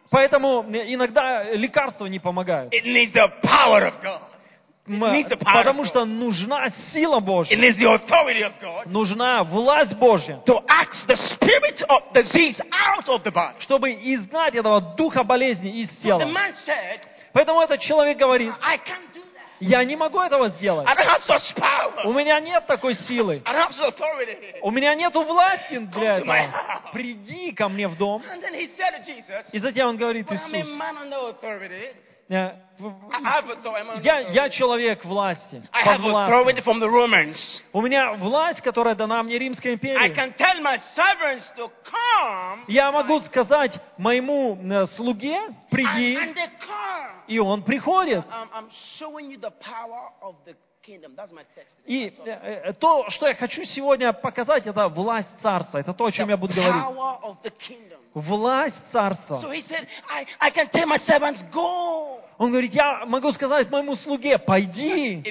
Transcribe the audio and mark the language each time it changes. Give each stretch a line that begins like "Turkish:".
Russian: Поэтому иногда лекарства не помогают.
English: It needs the power of God.
Russian: Потому что нужна сила Божья.
English: It needs the authority of God.
Russian: Нужна власть Божья.
English: To ask the spirit of disease out of the body.
Russian: Чтобы изгнать этого духа болезни из тела.
English: So the man said,
Russian: поэтому этот человек говорит,
English: I can't do that.
Russian: Я не могу этого сделать.
English: I don't have such power.
Russian: У меня нет такой силы.
English: I don't have such authority.
Russian: У меня нет власти для этого.
English: To my house.
Russian: Приди ко мне в дом.
English: And then he said to Jesus,
Russian: и затем он говорит, Иисус,
English: I'm a man of authority.
Russian: Я человек власти.
English: I have authority from the Romans.
Russian: У меня власть, которая дана мне Римской империей.
English: I can tell my servants to come.
Russian: Я могу сказать моему слуге, приди.
English: And they come.
Russian: И он приходит.
English: I'm showing you the power of the kingdom. That's my text.
Russian: И то, что я хочу сегодня показать, это власть царства. Это то, о чем я буду говорить.
English: The power of the kingdom.
Russian: Власть царства.
English: So he said, I can tell my servants go.
Russian: Он говорит, я могу сказать моему слуге, пойди.